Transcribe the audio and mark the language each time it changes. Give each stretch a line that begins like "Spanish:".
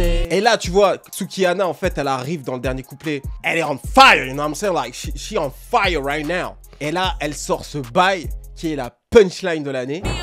French: Et là, tu vois, Suki Yana, en fait, elle arrive dans le dernier couplet. Elle est
English: on fire, you know what I'm saying? Like, she on fire right now.
French: Et là, elle sort ce bail qui est la punchline de l'année.